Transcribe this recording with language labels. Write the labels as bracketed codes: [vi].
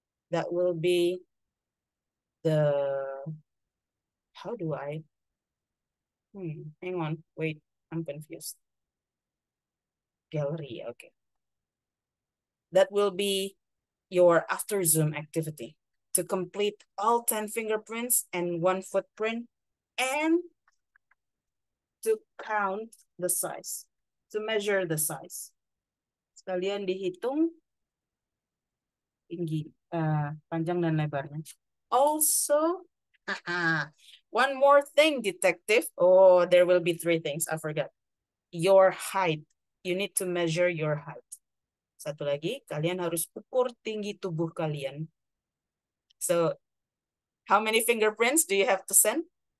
[en] That will be the, how do I, hang on, wait, I'm confused. Gallery, okay. That will be your after Zoom activity to complete all 10 fingerprints and one footprint and to count the size, to measure the size. [id] Sekalian dihitung tinggi, panjang dan lebarnya. [en] Also, one more thing, detective. Oh, there will be three things, I forgot. Your height, you need to measure your height. [id] Satu lagi, kalian harus ukur tinggi tubuh kalian. [en] So, how many fingerprints do you have to send?